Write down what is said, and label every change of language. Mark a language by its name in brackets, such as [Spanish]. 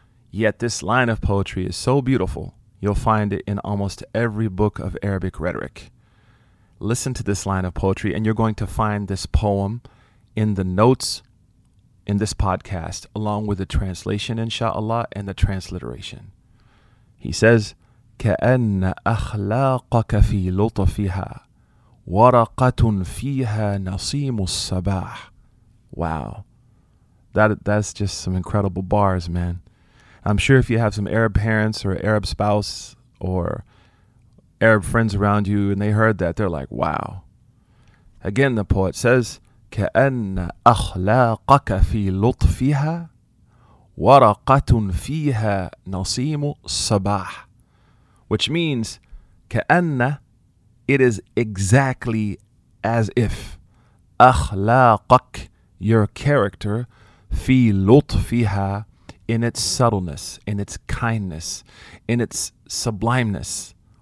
[English] Yet this line of poetry is so beautiful, you'll find it in almost every book of Arabic rhetoric. Listen to this line of poetry, and you're going to find this poem in the notes in this podcast, along with the translation, inshallah, and the transliteration. He says, [Arabic] كَأَنَّ أَخْلَاقَكَ فِي لُطْفِهَا وَرَقَةٌ فِيهَا نَصِيمُ الصَّبَاحِ. [English] Wow. That's just some incredible bars, man. I'm sure if you have some Arab parents or Arab spouse or Arab friends around you and they heard that, they're like, wow. Again, the poet says, [Arabic] كَأَنَّ أَخْلَاقَكَ فِي لُطْفِهَا وَرَقَةٌ فِيهَا نَصِيمُ الصَّبَاحِ, [English] which means, [Arabic] كَأَنَّ, [English] it is exactly as if, [Arabic] أَخْلَاقَكَ, [English] your character, [Arabic] فِي لُطْفِهَا, [English] in its subtleness, in its kindness, in its sublimeness.